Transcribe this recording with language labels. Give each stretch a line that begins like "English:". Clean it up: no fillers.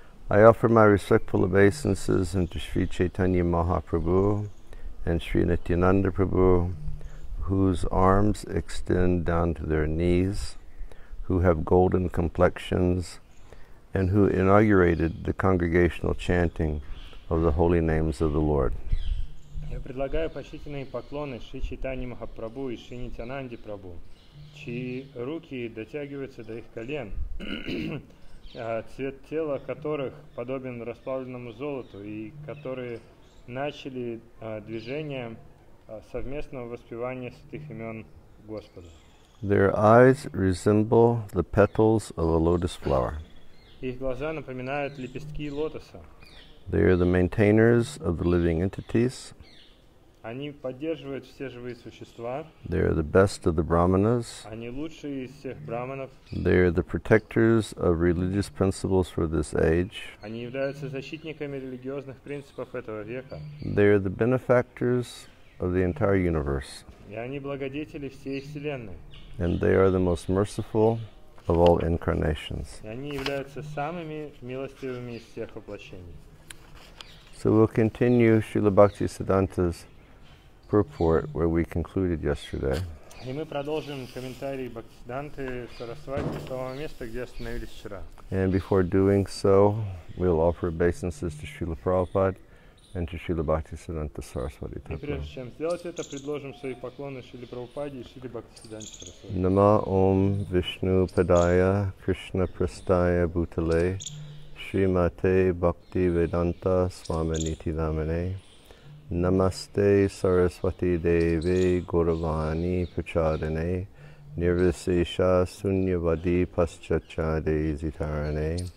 English: I offer my respectful obeisances unto Sri Chaitanya Mahaprabhu and Sri Nityananda Prabhu, whose arms extend down to their knees, who have golden complexions, and who inaugurated the congregational chanting of the holy names of the Lord.
Russian: Я предлагаю почтительные поклоны Шри Чайтанье Махапрабху и Шри Нитьянанде Прабху, чьи руки дотягиваются до их колен, цвет тела которых подобен расплавленному золоту, и которые начали движение совместного воспевания святых имен Господа.
English: Their eyes resemble the petals of a lotus flower.
Russian: Их глаза напоминают лепестки лотоса.
English: They are the maintainers of the living entities.
Russian: Они поддерживают все живые существа.
English: They are the best of the brahmanas.
Russian: Они лучшие из всех брахманов.
English: They are the protectors of religious principles for this age.
Russian: Они являются защитниками религиозных принципов этого века.
English: They are the benefactors of the entire universe.
Russian: И они благодетели всей вселенной.
English: And they are the most merciful of all incarnations.
Russian: И они являются самыми милостивыми из всех воплощений.
English: So we'll continue Srila Bhaktisiddhanta's purport where we concluded yesterday.
Russian: И мы продолжим комментарий Бхактисиддханты Сарасвати с того места, где остановились вчера.
English: And before doing so, we'll offer obeisances to Srila Prabhupada And to Srila Bhaktisiddhanta Saraswati Thakura.
Russian: И прежде чем сделать это, предложим свои поклоны Шриле Прабхупаде и Шриле Бхактисиддханте Сарасвати.
Sanskrit: Нама Ом Вишну Падая Кришна Прастая Бутале Шримате Бхакти Веданта Свамините Намине Намасте Сарасвати Деве Гуравани Прачадане Нирвисеша Суньявади Пасчачаде Зитаране